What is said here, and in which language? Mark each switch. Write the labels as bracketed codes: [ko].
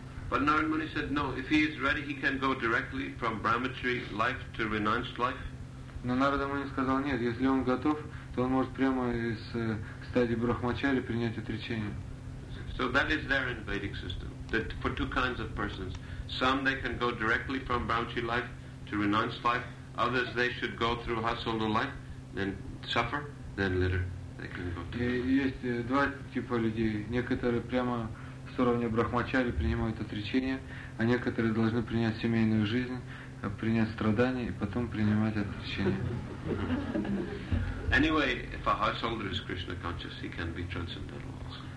[en] But Narada Muni said, no, if he is ready, he can go directly from brahmachari life to renounced life. [ru] Но Нарада Муни сказал, нет, если он готов, то он может прямо из стадии брахмачари принять отречение. [en] So that is there in Vedic system, that for two kinds of persons. Some they can go directly from brahmachari life to renounced life, others they should go through household life, then suffer, then later they can go to... [ru] Есть два типа людей. Некоторые прямо с уровня брахмачари принимают отречение, а некоторые должны принять семейную жизнь, принять страдания и потом принимать отречение. [en] Anyway, if a householder is Krishna conscious, he can be transcendental also.